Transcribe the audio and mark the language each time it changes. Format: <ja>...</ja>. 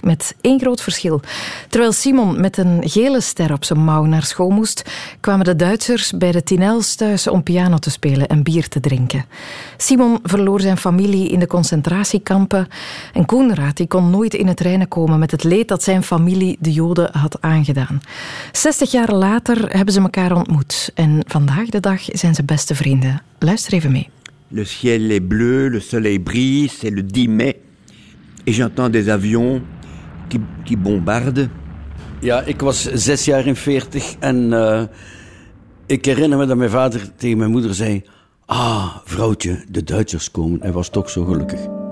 <nl>Met 1 groot verschil. Terwijl Simon met een gele ster op zijn mouw naar school moest, kwamen de Duitsers bij de Tinels thuis om piano te spelen en bier te drinken. Simon verloor zijn familie in de concentratiekampen. En Koenraad die kon nooit in het reinen komen met het leed dat zijn familie de Joden had aangedaan. 60 jaar later hebben ze elkaar ontmoet. En vandaag de dag zijn ze beste vrienden. Luister even mee.</nl> <fr>Le ciel est bleu, le soleil brille, c'est le 10 mai. Et j'entends des avions qui bombardent.</fr> <nl>Ja, ik was 46 en ik herinner me dat mijn vader tegen mijn moeder zei... Ah, vrouwtje, de Duitsers komen. Hij was toch zo gelukkig.</nl>